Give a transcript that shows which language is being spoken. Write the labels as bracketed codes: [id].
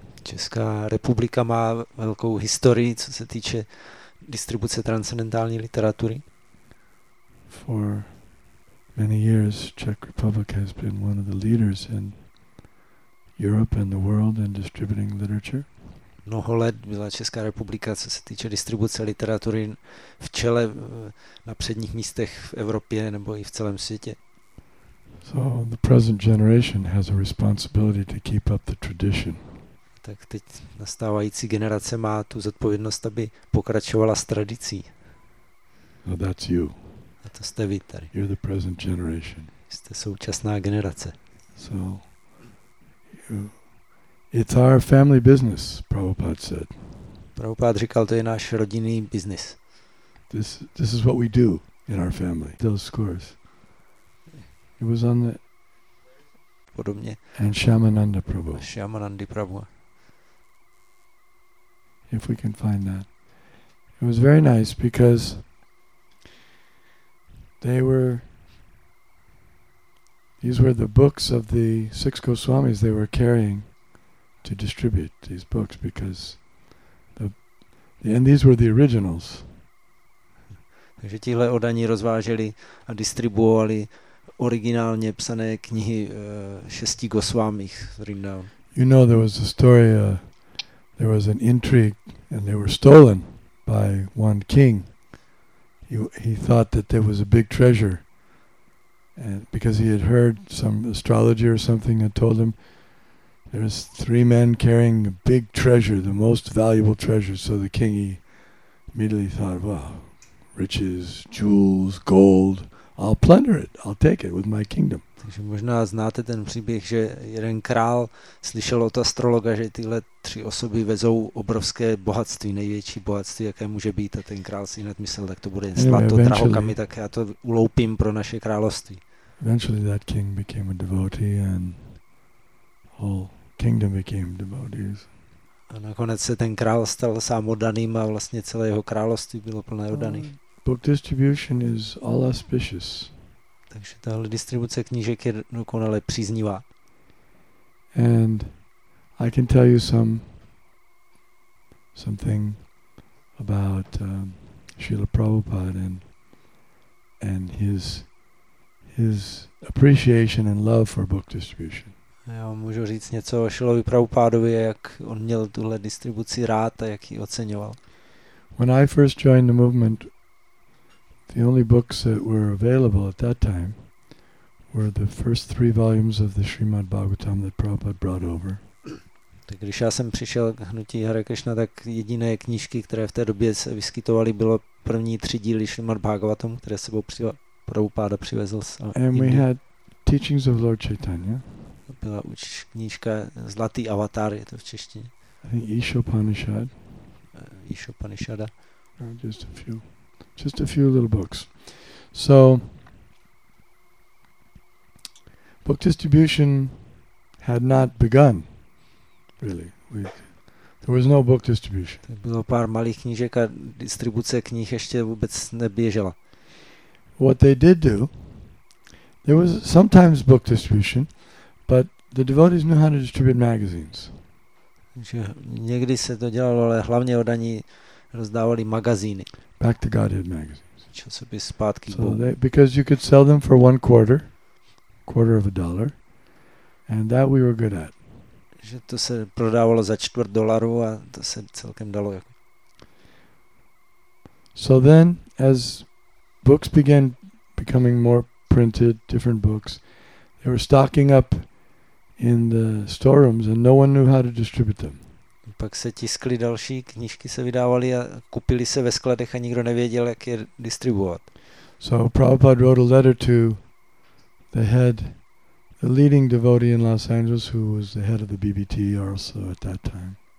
[cs] Česká republika má velkou historii, co se týče distribuce transcendentální literatury. [en] For many years, Czech Republic has been one of the leaders in Europe and the world in distributing literature. [cs] Mnoho let byla Česká republika, co se týče distribuce literatury, v čele na předních místech v Evropě nebo i v celém světě. [en] So the present generation has a responsibility to keep up the tradition. [cs] Tak teď nastávající generace má tu zodpovědnost, aby pokračovala s tradicí. [en] No, that's you. [cs] A to jste vy tady. [en] You're the present generation. [cs] Jste současná generace. [en] So it's our family business, Prabhupada said. [cs] Prabhupada říkal, to je náš rodinný business. [en] This is what we do in our family. Those scores. It was on the [cs] podobně. [en] And Shyamananda Prabhu. [cs] Shyamanandi Prabhu. [en] If we can find that. It was very nice because these were the books of the six Goswamis they were carrying to distribute these books because these were the originals. [cs] Takže tihle odaní rozváželi a distribuovali originálně psané knihy šesti Goswamích z Vrindavan. [en] You know, there was a story, there was an intrigue and they were stolen by one king. He thought that there was a big treasure. And because he had heard some astrologer or something had told him there's three men carrying a big treasure, the most valuable treasure. So the king, he immediately thought, well, riches, jewels, gold, I'll plunder it, I'll take it with my kingdom. [cs] Takže možná znáte ten příběh, že jeden král slyšel od astrologa, že tyhle tři osoby vezou obrovské bohatství, největší bohatství, jaké může být, a ten král si hned myslel, tak to bude zlato, drahokamy, tak já to uloupím pro naše království. [en] Eventually that king became a devotee and whole kingdom became devotees. [cs] A nakonec se ten král stal sám oddaným a vlastně celé jeho království bylo plné oddaných. [en] Book distribution is all auspicious. [cs] Takže tahle distribuce knížek je dokonale příznivá. [en] And I can tell you something about Srila Prabhupada and his appreciation and love for book distribution. [cs] Já můžu říct něco o Šilovi Prabhupádovi, jak on měl tuhle distribuci rád a jak ji oceňoval. [en] When I first joined the movement, the only books that were available at that time were the first three volumes of the Srimad Bhagavatam that Prabhupada brought over. [cs] Tak když já jsem přišel k hnutí Hare Krishna, tak jediné knížky, které v té době se vyskytovaly, bylo první tři díly Srimad Bhagavatam, které sebou Prabhupada přivezl. [en] And we had teachings of Lord Chaitanya. [cs] Byla knížka Zlatý avatar, je to v češtině. [en] I think Ishopanishad. [cs] Ishopanishada. [en] Just a few little books. So, book distribution had not begun, really. There was no book distribution. [cs] Bylo pár malých knížek a distribuce knih ještě vůbec neběžela. [en] What they did do, there was sometimes book distribution, but the devotees knew how to distribute magazines. [cs] Takže někdy se to dělalo, ale hlavně odaní rozdávali magazíny. [en] Back to Godhead magazines. [cs] Časopis zpátky Bohu. [en] Because you could sell them for one quarter of a dollar, and that we were good at. [cs] Že to se prodávalo za čtvrt dolaru a to se celkem dalo. [en] So then, as books began becoming more printed, different books, they were stocking up in the storerooms, and no one knew how to distribute them. [cs] Pak se tiskly další knížky, se vydávaly a kupily se ve skladech a nikdo nevěděl, jak je distribuovat. [en] So Prabhupada wrote a letter to the head, the leading devotee in Los Angeles, who was the head of the BBT also at that time.